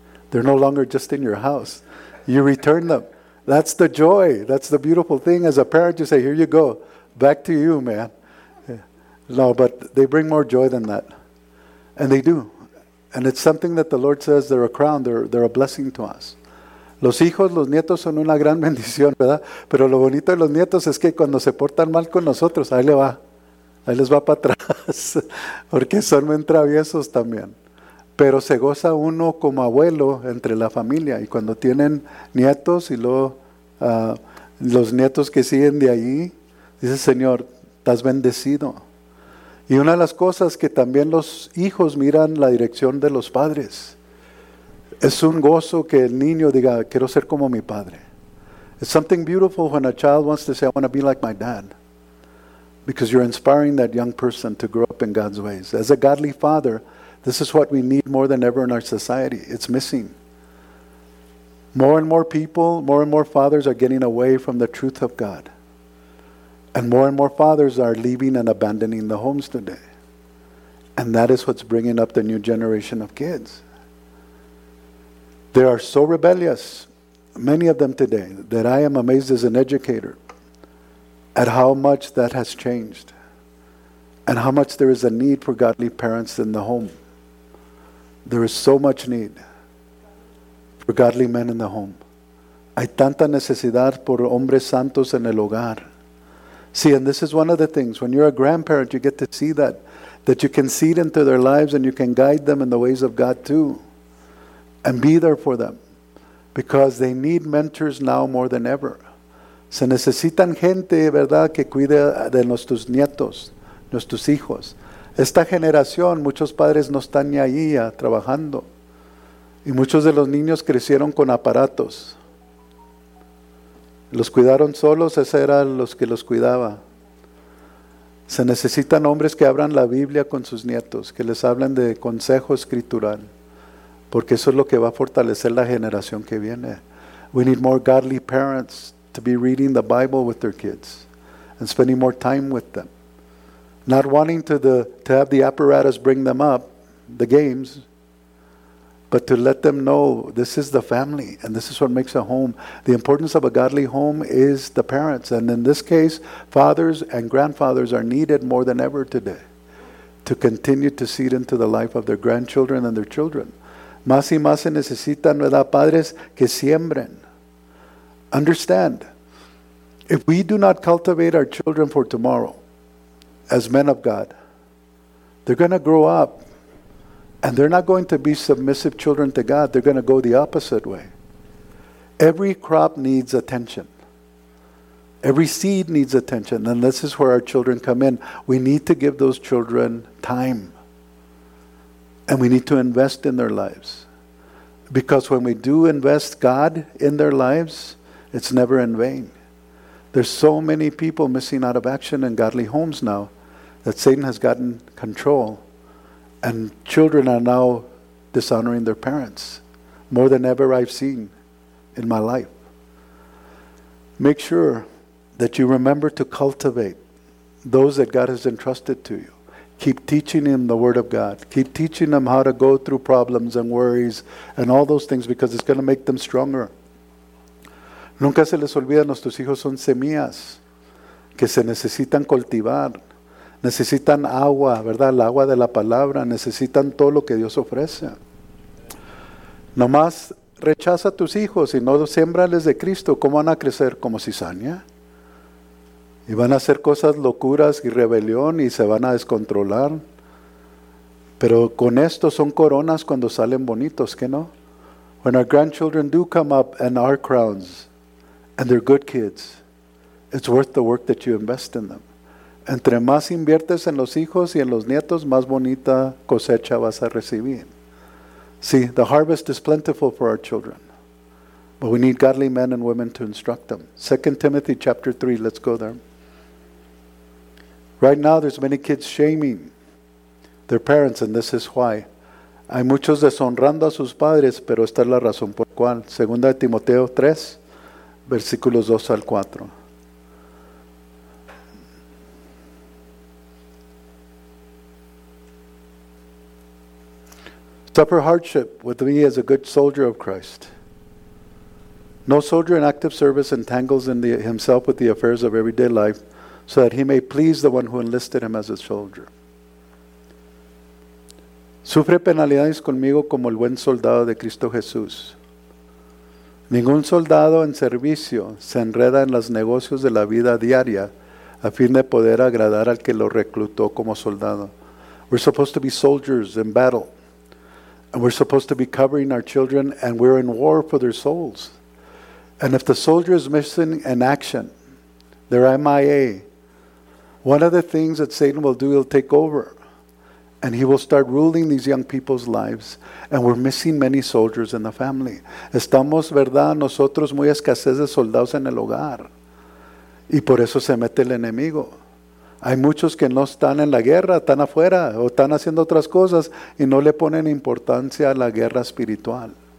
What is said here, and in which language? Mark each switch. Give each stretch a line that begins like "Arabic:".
English: They're no longer just in your house. You return them. That's the joy. That's the beautiful thing. As a parent, you say, here you go. Back to you, man. No, but they bring more joy than that. And they do. And it's something that the Lord says, they're a crown. They're a blessing to us.
Spanish: Los hijos, los nietos son una gran bendición, ¿verdad? Pero lo bonito de los nietos es que cuando se portan mal con nosotros, ahí le va. Ahí les va para atrás. Porque son muy traviesos también. Pero se goza uno como abuelo entre la familia. Y cuando tienen nietos y luego los nietos que siguen de ahí, dice, Señor, estás bendecido. Y una de las cosas que también los hijos miran la dirección de los padres. Es un gozo que el niño diga, quiero ser como mi padre.
English: It's something beautiful when a child wants to say, I want to be like my dad. Because you're inspiring that young person to grow up in God's ways. As a godly father, this is what we need more than ever in our society. It's missing. More and more people, more and more fathers are getting away from the truth of God. And more fathers are leaving and abandoning the homes today. And that is what's bringing up the new generation of kids. They are so rebellious, many of them today, that I am amazed as an educator at how much that has changed and how much there is a need for godly parents in the home. There is so much need for godly men in the home.
Spanish: Hay tanta necesidad por hombres santos en el hogar.
English: See, and this is one of the things. When you're a grandparent, you get to see that. That you can see it into their lives and you can guide them in the ways of God too. And be there for them. Because they need mentors now more than ever.
Spanish: Se necesitan gente, ¿verdad?, que cuide de nuestros nietos, nuestros hijos. Esta generación, muchos padres no están ni ahí trabajando. Y muchos de los niños crecieron con aparatos. Los cuidaron solos, ese era los que los cuidaba. Se necesitan hombres que abran la Biblia con sus nietos, que les hablen de consejo escritural, porque eso es lo que va a fortalecer la generación que viene.
English: We need more godly parents to be reading the Bible with their kids and spending more time with them. Not wanting to have the apparatus bring them up, the games, but to let them know this is the family and this is what makes a home. The importance of a godly home is the parents. And in this case, fathers and grandfathers are needed more than ever today to continue to seed into the life of their grandchildren and their children.
Spanish: Más y más se necesitan, ¿verdad?, padres que siembren.
English: Understand, if we do not cultivate our children for tomorrow as men of God, they're going to grow up. And they're not going to be submissive children to God. They're going to go the opposite way. Every crop needs attention. Every seed needs attention. And this is where our children come in. We need to give those children time. And we need to invest in their lives. Because when we do invest God in their lives, it's never in vain. There's so many people missing out of action in godly homes now that Satan has gotten control. And children are now dishonoring their parents more than ever I've seen in my life. Make sure that you remember to cultivate those that God has entrusted to you. Keep teaching them the Word of God. Keep teaching them how to go through problems and worries and all those things, because it's going to make them stronger.
Spanish: Nunca se les olvida, nuestros hijos son semillas que se necesitan cultivar. Necesitan agua, ¿verdad? El agua de la palabra. Necesitan todo lo que Dios ofrece. Nomás rechaza a tus hijos y no siembrales de Cristo. ¿Cómo van a crecer? Como cizaña. Y van a hacer cosas locuras y rebelión y se van a descontrolar. Pero con esto son coronas cuando salen bonitos, ¿qué no?
English: When our grandchildren do come up and are crowns and they're good kids, it's worth the work that you invest in them.
Spanish: Entre más inviertes en los hijos y en los nietos, más bonita cosecha vas a recibir.
English: See, the harvest is plentiful for our children. But we need godly men and women to instruct them. 2 Timothy chapter 3, let's go there. Right now there's many kids shaming their parents, and this is why.
Spanish: Hay muchos deshonrando a sus padres, pero esta es la razón por cual. 2 Timoteo 3, versículos 2 al 4.
English: suffer hardship with me as a good soldier of Christ. No soldier in active service entangles himself with the affairs of everyday life so that he may please the one who enlisted him as a soldier.
Spanish: Sufre penalidades conmigo como el buen soldado de Cristo Jesús. Ningún soldado en servicio se enreda en los negocios de la vida diaria a fin de poder agradar al que lo reclutó como soldado.
English: We're supposed to be soldiers in battle. And we're supposed to be covering our children, and we're in war for their souls. And if the soldier is missing in action, they're MIA, one of the things that Satan will do, he'll take over. And he will start ruling these young people's lives. And we're missing many soldiers in the family.
Spanish: Estamos, verdad, nosotros muy escasez de soldados en el hogar. Y por eso se mete el enemigo. Hay muchos que no están en la guerra, están afuera o están haciendo otras cosas y no le ponen importancia a la guerra espiritual.